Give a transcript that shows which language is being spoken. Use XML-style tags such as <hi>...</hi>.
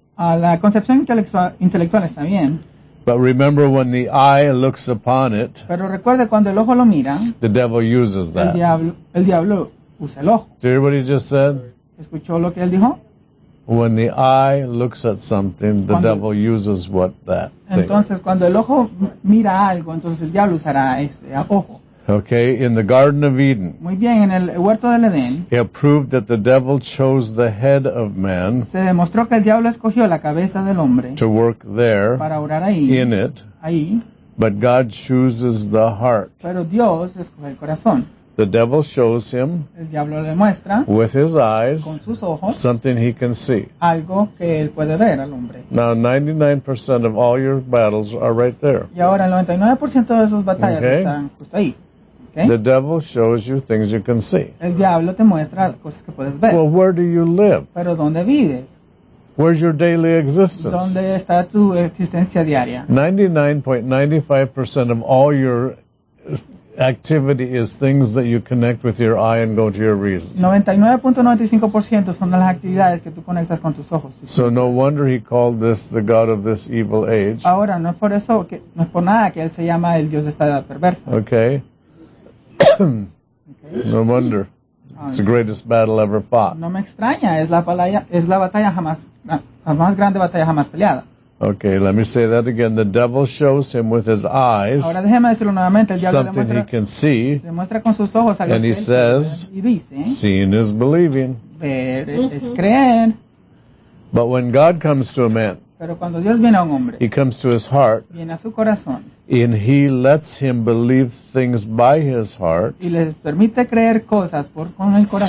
<es>La concepción intelectual está bien.</es> <en>But remember when the eye looks upon it,</en> <es>pero recuerde cuando el ojo lo mira,</es> <en>the devil uses that.</en> <es>El diablo usa el ojo.</es> <en>Did you hear what he just said?</en> <es>¿Escuchó lo que él dijo?</es> <en>When the eye looks at something, the devil uses what that thing.</en> <es>Entonces, cuando el ojo mira algo, entonces el diablo usará ese ojo.</es> <en>Okay, in the Garden of Eden.</en> <es>Muy bien, en el huerto del Edén.</es> <en>It proved that the devil chose the head of man.</en> <es>Se demostró que el diablo escogió la cabeza del hombre.</es> <en>To work there.</en> <es>Para orar ahí.</es> <en>In it.</en> <es>Ahí.</es> <en>But God chooses the heart.</en> <es>Pero Dios escoge el corazón.</es> <en>The devil shows him</en> <es>el diablo le muestra</es> <en>with his eyes</en> <es>con sus ojos</es> <en>something he can see.</en> <es>Algo que él puede ver al hombre.</es> <en>Now 99% of all your battles are right there.</en> <es>Y ahora el 99% de sus batallas</es> <en>okay.</en> <es>están justo ahí. Okay?</es> <en>The devil shows you things you can see.</en> <es>El diablo te muestra cosas que puedes ver.</es> <en>Well, where do you live?</en> <es>Pero ¿dónde vives?</es> <en>Where's your daily existence?</en> <es>¿Dónde está tu existencia diaria?</es> <en>99.95% of all your activity is things that you connect with your eye and go to your reason.</en> <es>99.95% son las actividades que tú conectas con tus ojos.</es> <en>So no wonder he called this the God of this evil age.</en> <es>Ahora, no es por eso, que, no es por nada que él se llama el Dios de esta edad perversa.</es> <en>Okay. No wonder. It's the greatest battle ever fought.</en> <es>No me extraña, es la más grande batalla jamás peleada.</es> <en>Okay, let me say that again. The devil shows him with his eyes</en> <es>ahora, déjeme decirlo nuevamente. El diablo</es> <en>something</en> <es>demuestra,</es> <en>he can see,</en> <es>demuestra con sus ojos a</es> <en>and he says,</en> <es>y dice,</es> <en>seeing is believing.</en> <es>Ver es creer.</es> <en>But when God comes to a man,</en> <es>pero cuando Dios viene a un hombre,</es> <en>he comes to his heart,</en> <es>viene a su corazón,</es> <en>and he lets him believe things by his heart,</en> <es>y le permite creer cosas por, con el corazón,</es>